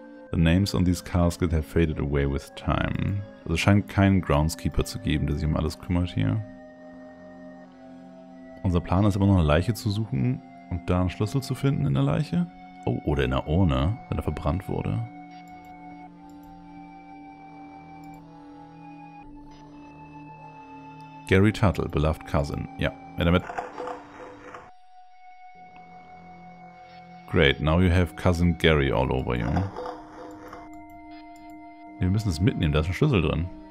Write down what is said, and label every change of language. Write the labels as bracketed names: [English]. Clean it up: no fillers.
[English] The names on these caskets have faded away with time. [German] Also scheint keinen Groundskeeper zu geben, der sich um alles kümmert hier. Unser Plan ist immer noch eine Leiche zu suchen und da einen Schlüssel zu finden in der Leiche. Oh, oder in der Urne, wenn er verbrannt wurde. Gary Tuttle, [English] beloved cousin. [German] Ja, wer damit... [English] Great, now you have cousin Gary all over you. [German] Nee, wir müssen es mitnehmen, da ist ein Schlüssel drin.